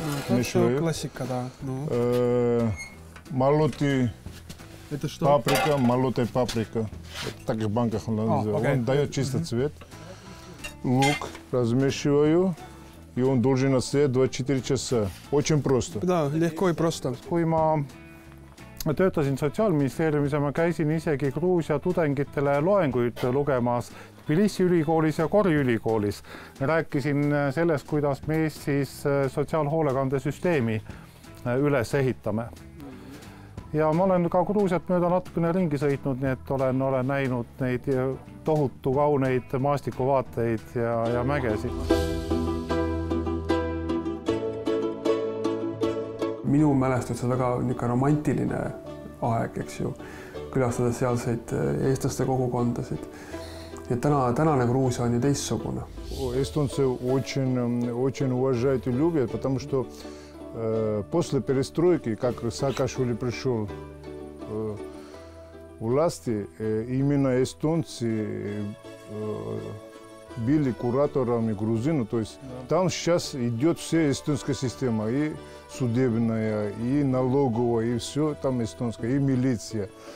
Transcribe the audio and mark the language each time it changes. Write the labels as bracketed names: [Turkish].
[Russian] Мешаю. Классика, да. Ну. Молотый. Это что? Паприка, молотая паприка. Это так в банках он называется. Okay. Он дает чистый цвет. Лук размешиваю, и он должен остаться 24 часа. Очень просто. Да, легко и просто. Куйма. [Estonian] Töötasin sotsiaalministeeriumis ja ma käisin isegi Gruusia tudengitele loenguid lugemas Tbilisi ülikoolis ja Kori ülikoolis. Rääkisin sellest, kuidas me siis sotsiaalhoolekandesüsteemi üles ehitame. Ja ma olen ka Gruusiat mööda natukene ringi sõitnud, nii et olen näinud neid tohutu kauneid maastikuvaateid ja mägesid. Minu mälest, et see on väga niika romantiline aeg, eks ju, külastada sealseid eestlaste kogukondasid. Ja tänane Gruusia on ju teissugune. Eestlaste on väga uvažajad, [Russian] потому что после перестройки, как Саакашвили пришел власти, именно эстонцы били кураторами грузину, то есть там сейчас идет вся эстонская система, и судебная, и налоговая, и все там эстонская, и милиция.